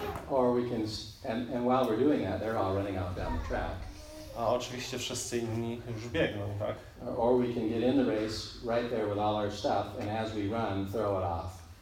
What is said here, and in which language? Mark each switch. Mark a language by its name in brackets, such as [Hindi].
[English] Or we can, and while we're doing that, they're all running out down the track. [Polish] A oczywiście wszyscy inni już biegną, tak? [English] Or we can get in the race right there with all our stuff and as we run, throw it off.